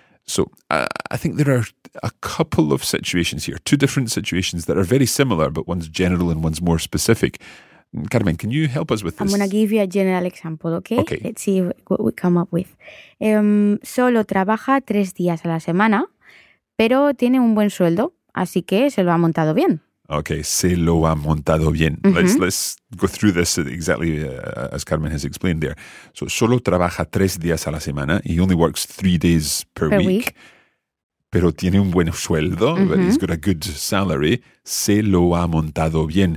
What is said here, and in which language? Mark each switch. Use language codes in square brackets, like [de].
[en] So I think there are a couple of situations here, two different situations that are very similar, but one's general and one's more specific. Carmen, can you help us with this? I'm going to give you a general example, okay? Okay. Let's see what we come up with. [es] Solo trabaja 3 días a la semana, pero tiene un buen sueldo, así que se lo ha montado bien. Okay, se lo ha montado bien. Mm-hmm. [en] Let's go through this exactly as Carmen has explained there. So, [es] solo trabaja 3 días a la semana. [en] He only works 3 days per week. [es] Pero tiene un buen sueldo, mm-hmm. [en] but he's got a good salary. [es] Se lo ha montado bien.